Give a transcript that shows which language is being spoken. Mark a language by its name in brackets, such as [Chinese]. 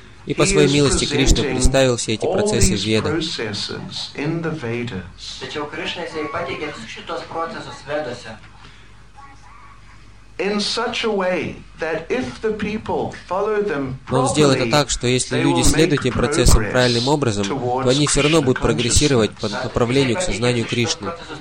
[Russian] И по своей милости Кришна представил все эти процессы в Ведах. [English] In such a way that if the people follow them properly, [Russian] он сделал это так, что если люди следуют этим процессам правильным образом, то они все равно будут прогрессировать по направлению к сознанию Кришны.